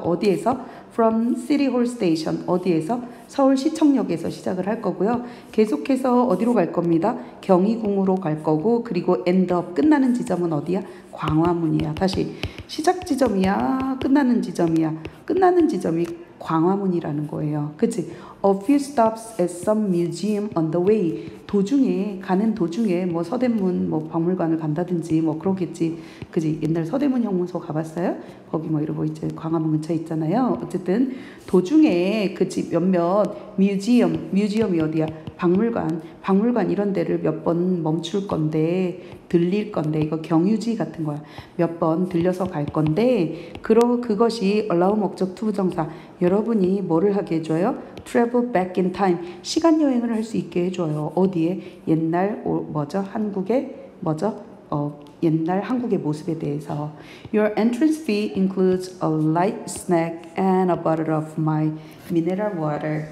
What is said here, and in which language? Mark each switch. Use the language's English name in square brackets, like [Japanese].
[Korean] 어디에서? [English] From City Hall Station. 어디에서? [Korean] 서울시청역에서 시작을 할 거고요. 계속해서 어디로 갈 겁니다? 경희궁으로 갈 거고, 그리고 엔드업 끝나는 지점은 어디야? 광화문이야. 다시. 시작 지점이야? 끝나는 지점이야? 끝나는 지점이 광화문이라는 거예요. 그치? [English] A few stops at some museum on the way. [Korean] 도중에, 가는 도중에 뭐 서대문 뭐 박물관을 간다든지 뭐 그러겠지. 그치? 옛날 서대문 형무소 가봤어요? 거기 뭐 이러고 이제 광화문 근처에 있잖아요. 어쨌든 도중에 그치 몇몇 뮤지엄이 어디야? 박물관 이런 데를 몇 번 멈출 건데, 들릴 건데, 이거 경유지 같은 거야. 몇 번 들려서 갈 건데, 그것이 allow 목적 to 부정사. 여러분이 뭐를 하게 해줘요? [English] Travel back in time. [Korean] 시간 여행을 할 수 있게 해줘요. 어디에? 옛날, 뭐죠? 한국의, 뭐죠? 옛날 한국의 모습에 대해서. [English] Your entrance fee includes a light snack and a bottle of my mineral water.